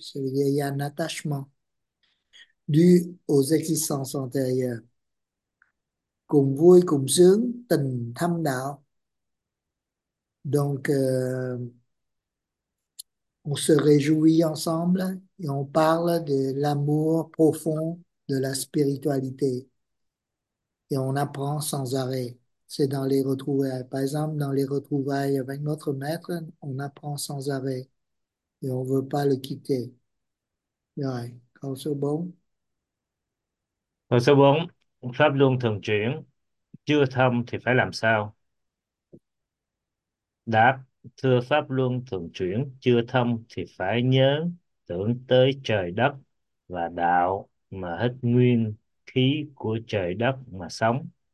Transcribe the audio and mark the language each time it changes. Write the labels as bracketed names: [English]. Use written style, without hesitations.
[French] C'est-à-dire, il y a un attachement dû aux existences antérieures. [Vietnamese] Cùng vui, cùng sướng, tình thâm đạo. [French] Donc, on se réjouit ensemble et on parle de l'amour profond de la spiritualité. Et on apprend sans arrêt. C'est dans les retrouvailles. Par exemple, dans les retrouvailles avec notre maître, on apprend sans arrêt et on ne veut pas le quitter. Ouais, quand c'est bon. [Vietnamese] Câu số 4, pháp luân thường chuyển, chưa thông thì phải làm sao? Đáp, thưa pháp luân thường chuyển, chưa thông thì phải nhớ tưởng tới trời đất và đạo mà hết nguyên khí của trời đất mà sống.